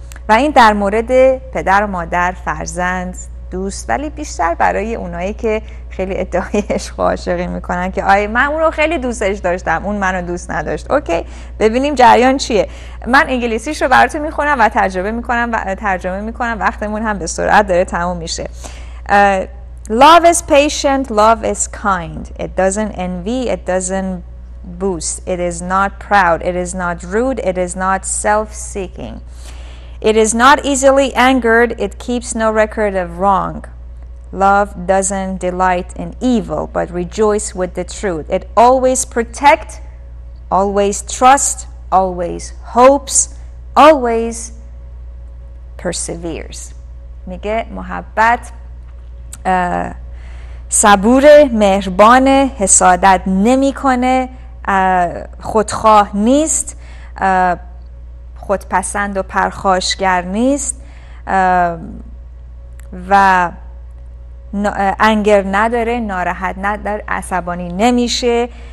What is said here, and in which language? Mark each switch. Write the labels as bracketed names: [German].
[Persian] و این در مورد پدر و مادر، فرزند، دوست، ولی بیشتر برای اونایی که خیلی ادعای عشق و عاشقی میکنن که آی من اون رو خیلی دوستش داشتم، اون منو دوست نداشت. اوکی، ببینیم جریان چیه. من انگلیسیش رو براتون میخونم و ترجمه میکنم. وقتمون هم به سرعت داره تموم میشه. [English] Love is patient, love is kind. It doesn't envy, it doesn't boast. It is not proud, it is not rude, it is not self-seeking. It is not easily angered. It keeps no record of wrong. Love doesn't delight in evil, but rejoice with the truth. It always protect, always trust, always hopes, always perseveres. [Persian] میگه محبت صبوره، مهربانه، حسادت نمی کنه، خودخواه نیست، خودپسند و پرخاشگر نیست و انگر نداره، ناراحت نداره، عصبانی نمیشه.